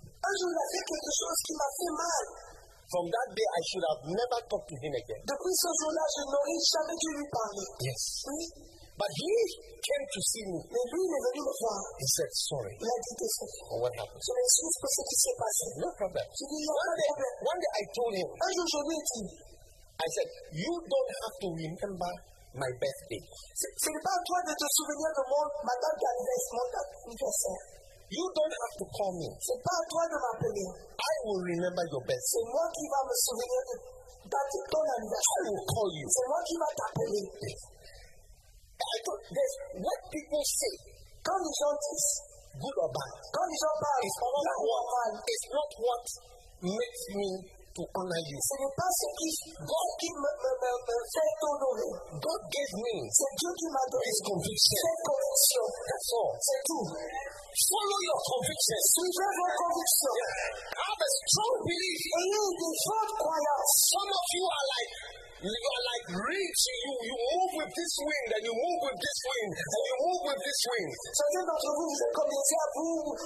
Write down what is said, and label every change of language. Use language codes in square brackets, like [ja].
[fr] Un jour, il a fait quelque chose qui m'a fait mal. [en] From that day, I should have never talked to him again. [fr] Depuis ce jour-là, je n'aurai jamais dû lui parler. [en] Yes. [fr] Oui. [en] But he came to see me. [fr] Mais lui, il est venu me voir. [en] He said, sorry. [fr] Il a dit, désolé. [en] What happened? [fr] Je m'excuse pour ce qui s'est passé. [en] No problem. [fr] Je dis, non, pas de problème. [en] One day, I told him. [fr] Un jour, je lui ai dit. [en] I said, you don't have to remember my birthday. [fr] Ce n'est pas à toi de te souvenir de mon, ma date d'anniversaire, mon date d'anniversaire. [en] You don't have to call me. [fr] C'est pas à toi de m'appeler. [en] I will remember your birthday. [fr] C'est moi qui va me souvenir de date de ton anniversaire. [en] I will call you. [fr] C'est moi qui va t'appeler. [en] Yes. I told this. What people say, [fr] quand ils ont dit, [en] good or bad, [fr] quand ils ont parlé, [en] it's not what, or bad. It's not what makes me to honor you. [fr] Ce n'est pas ce qui God qui me fait t'honorer. [en] God gave me. [fr] C'est Dieu qui m'a donné. [en] His conviction. [fr] Cette conviction. [en] That's all. [fr] C'est tout. [en] Follow your convictions. [fr] Suivez vos convictions. [en] Yeah. Have a strong belief. [fr] Ayez une forte croyance. [en] Some of you are like, you are like rich. You move with this wind, and you move with this wind, and you move with this wind. [fr] Certains d'entre vous, vous êtes comme des diables.